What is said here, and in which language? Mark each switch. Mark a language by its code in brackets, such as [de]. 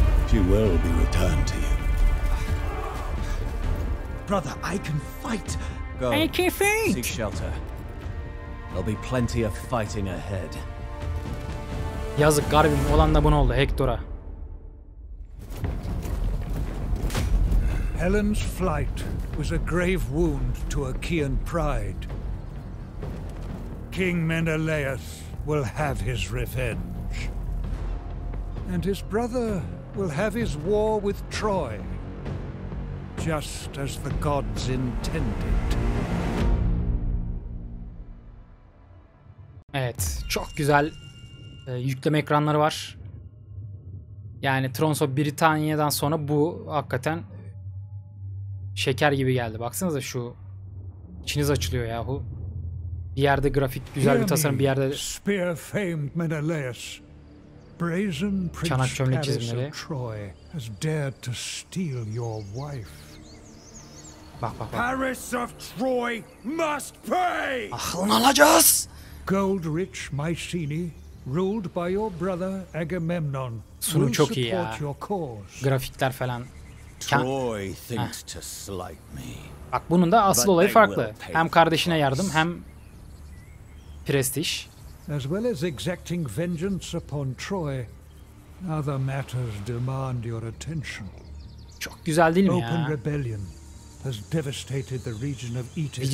[en] She will be returned to you. Brother, I can fight. Go. I can fight. Seek shelter. There'll be plenty of fighting ahead. [tr] Yazık garibim, olan da bu oldu Hector'a. [en] Helen's flight was a grave wound to Achaean pride. King Menelaus will have his revenge. And his brother will have his war with Troy, just as the gods intended. [tr] Evet, çok güzel yükleme ekranları var. Yani Thrones of Britannia'dan sonra bu hakikaten şeker gibi geldi. Baksanıza şu, içiniz açılıyor yahu. Bir yerde grafik güzel bir tasarım, bir yerde [en] spear-famed Menelaus. Brazen Prince Paris of Troy has dared to steal your wife. [tr] Bak. [en] Paris of Troy must pay. [tr] Aklını alacağız. [en] Gold-rich Mycenae, ruled by your brother Agamemnon, [tr] sunu çok iyi ya. Grafikler falan. [en] Troy thinks to slight me. [tr] Bak, bunun da asıl olayı farklı. Hem kardeşine yardım, hem prestij. [en] As well as exacting vengeance upon Troy, other matters demand your attention. [tr] Çok güzel değil mi ya? [en] Open rebellion has devastated the region of Aetis.